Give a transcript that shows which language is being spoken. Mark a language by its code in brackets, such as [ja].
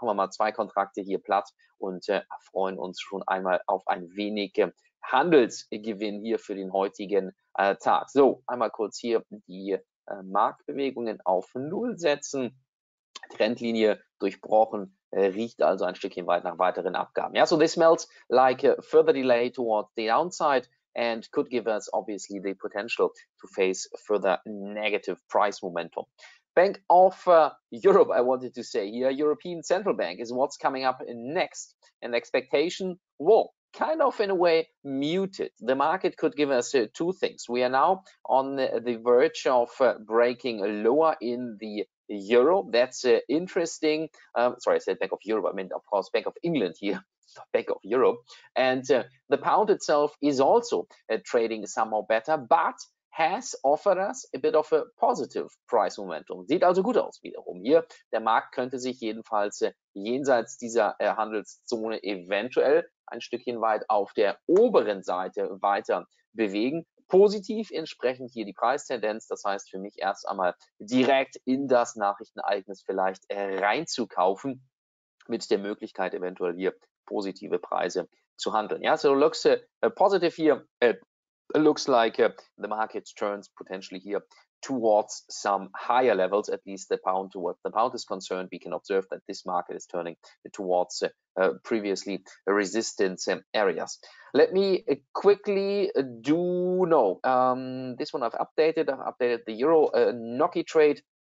[de] Machen wir mal zwei Kontrakte hier platt und freuen uns schon einmal auf ein wenig Handelsgewinn hier für den heutigen Tag. So, einmal kurz hier die Marktbewegungen auf Null setzen. Trendlinie durchbrochen, riecht also ein Stückchen weit nach weiteren Abgaben. [en] Ja, so this smells like a further delay towards the downside and could give us obviously the potential to face further negative price momentum. Bank of Europe, I wanted to say here, European Central Bank is what's coming up next. And expectation, whoa. Kind of in a way muted. The market could give us two things. We are now on the verge of breaking lower in the euro. That's interesting. Sorry, I said Bank of Europe. I meant, of course, Bank of England here, not Bank of Europe. And the pound itself is also trading somehow better, but has offered us a bit of a positive price momentum. [de] Sieht also gut aus wiederum hier. Der Markt könnte sich jedenfalls jenseits dieser Handelszone eventuell ein Stückchen weit auf der oberen Seite weiter bewegen. Positiv entsprechend hier die Preistendenz. Das heißt für mich erst einmal direkt in das Nachrichtenereignis vielleicht reinzukaufen mit der Möglichkeit eventuell hier positive Preise zu handeln. [en] Ja, so looks positive here. Looks like the market turns potentially here towards some higher levels, at least the pound towards the pound is concerned. We can observe that this market is turning towards previously resistance areas. Let me quickly do, no, this one I've updated the euro Gnocchi trade.